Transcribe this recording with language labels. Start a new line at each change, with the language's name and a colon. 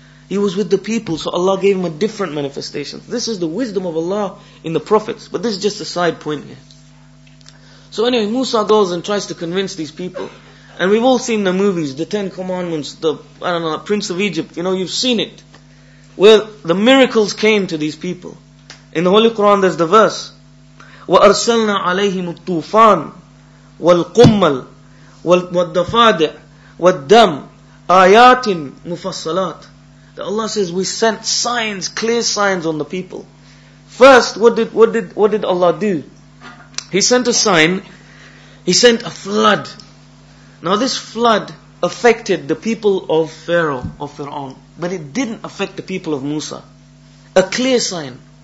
English: He was with the people, so Allah gave him a different manifestation. This is the wisdom of Allah in the prophets. But this is just a side point here. So anyway, Musa goes and tries to convince these people. And we've all seen the movies, the Ten Commandments, the Prince of Egypt, you know, you've seen it. Where the miracles came to these people. In the Holy Quran there's the verse,
Arabic: وَأَرْسَلْنَا عَلَيْهِمُ الطُّوفَانِ وَالْقُمَّلِ وَالْدَّفَادِعِ وَالدَّمِ آيَاتٍ مُفَصَّلَاتٍ.
English: That Allah says, we sent signs, clear signs on the people. First, what did Allah do? He sent a sign, He sent a flood. Now this flood affected the people of Pharaoh, of Fir'aun. But it didn't affect the people of Musa. A clear sign.